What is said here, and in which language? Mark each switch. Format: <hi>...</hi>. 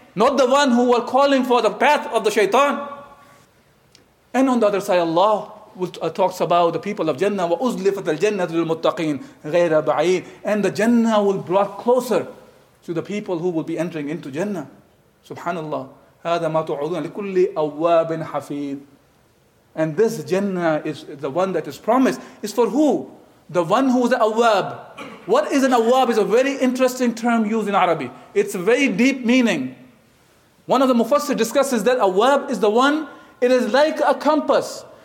<en>Not the one who were calling for the path of the shaitan. And on the other side, Allah talks about the people of Jannah.</en> <ar>وَأُزْلِفَتَ الْجَنَّةُ لِلْمُتَّقِينَ غَيْرَ بَعِيدٍ.</ar> <en>And the Jannah will brought closer to the people who will be entering into Jannah.</en> <ar>Subhanallah. هذا ما تُعُدُونَ لِكُلِّ أَوَّابٍ حَفِيدٍ.</ar> <en>And this Jannah is the one that is promised. It's for who? The one who is an awwab. What is an awwab is a very interesting term used in Arabic. It's a very deep meaning. One of the mufassir discusses that awwab is the one, it is like a compass.</en>